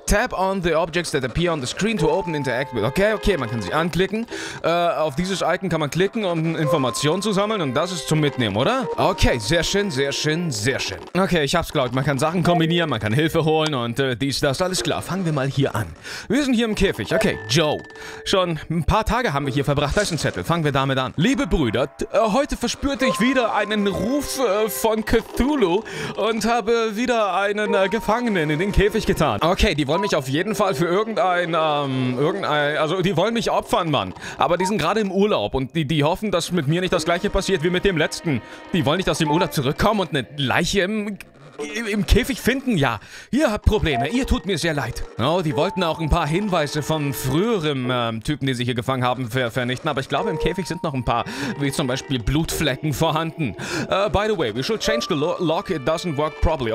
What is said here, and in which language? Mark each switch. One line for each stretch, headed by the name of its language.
English: Tap on the objects that appear on the screen to open interact with.
German: Okay, okay, man kann sie anklicken. Auf dieses Icon kann man klicken, um Informationen zu sammeln. Und das ist zum Mitnehmen, oder? Okay, sehr schön, sehr schön, sehr schön. Okay, ich hab's glaubt. Man kann Sachen kombinieren, man kann Hilfe holen und dies, das. Alles klar, fangen wir mal hier an. Wir sind hier im Käfig. Okay, Joe. Schon ein paar Tage haben wir hier verbracht. Da ist ein Zettel. Fangen wir damit an. Liebe Brüder, heute verspürte ich wieder einen Ruf von Cthulhu und habe wieder einen Gefangenen in den Käfig getan. Okay, die wollen mich auf jeden Fall für die wollen mich opfern, Mann. Aber die sind gerade im Urlaub und die hoffen, dass mit mir nicht das gleiche passiert wie mit dem letzten. Die wollen nicht aus dem Urlaub zurückkommen und eine Leiche im Käfig finden, ja. Ihr habt Probleme, ihr tut mir sehr leid. Oh, die wollten auch ein paar Hinweise von früherem Typen, die sie hier gefangen haben, vernichten. Aber ich glaube, im Käfig sind noch ein paar, wie zum Beispiel Blutflecken vorhanden.
English: By the way, we should change the lock, it doesn't work properly.